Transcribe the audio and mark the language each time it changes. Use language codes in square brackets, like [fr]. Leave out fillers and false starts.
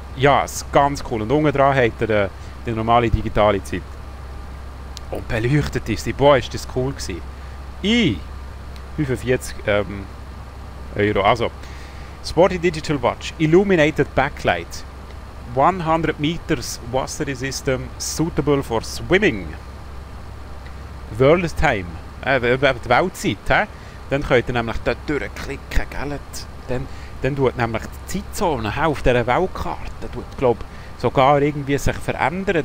[de] Ja, ist ganz cool. Und unten dran hat er die normale digitale Zeit. Und beleuchtet ist. Boah, ist das cool gewesen. 45 Euro. [en] Also, Sporty Digital Watch, Illuminated Backlight, 100 Meters Water System, suitable for swimming. [de] World Time, die Weltzeit. He? Dann könnt ihr nämlich dort durchklicken, gell? Dann tut nämlich die Zeitzone auf dieser Weltkarte, tut, glaub, sogar irgendwie sich verändern.